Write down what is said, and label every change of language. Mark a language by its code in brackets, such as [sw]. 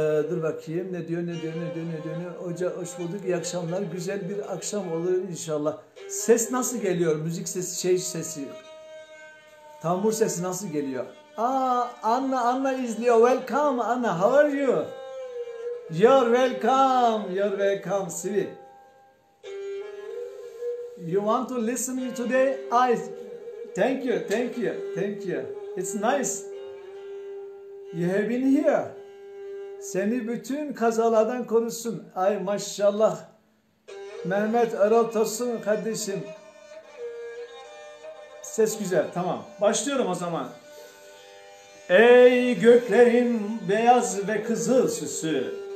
[tr] Dur bakayım ne diyor ne diyor ne diyor ne diyor. Hoca hoş bulduk, iyi akşamlar, güzel bir akşam olur inşallah. Ses nasıl geliyor, müzik sesi, şey sesi, tambur sesi nasıl geliyor? Anna izliyor. [en] Welcome Anna, how are you? You're welcome Siri. You want to listen me today? Thank you, thank you, thank you. It's nice. You have been here. [tr] Seni bütün kazalardan korusun. Ay maşallah. Mehmet Erol Tosun kardeşim. Ses güzel. Tamam. Başlıyorum o zaman. Ey göklerin beyaz ve kızıl süsü.